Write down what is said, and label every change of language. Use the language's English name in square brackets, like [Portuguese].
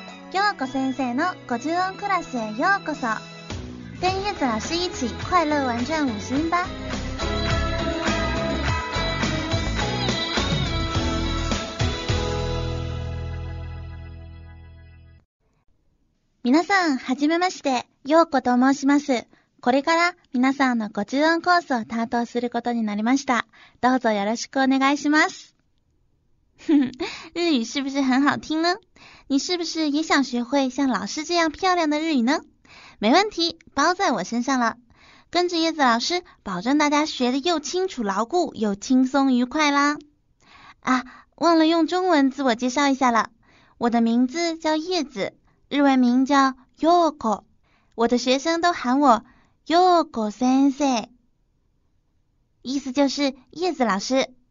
[Japanese] 京子先生の五十音クラスへようこそ。 [Chinese] 跟叶子老师一起快乐玩转五十音吧。 [Japanese] 皆さん、はじめまして、ようこと申します。これから皆さんの五十音コースを担当することになりました。どうぞよろしくお願いします。 [Chinese] 日语是不是很好听呢？你是不是也想学会像老师这样漂亮的日语呢？没问题，包在我身上了。跟着叶子老师，保证大家学得又清楚牢固，又轻松愉快啦。啊，忘了用中文自我介绍一下了。我的名字叫叶子，日文名叫 Yoko， 我的学生都喊我 Yoko 先生，意思就是叶子老师。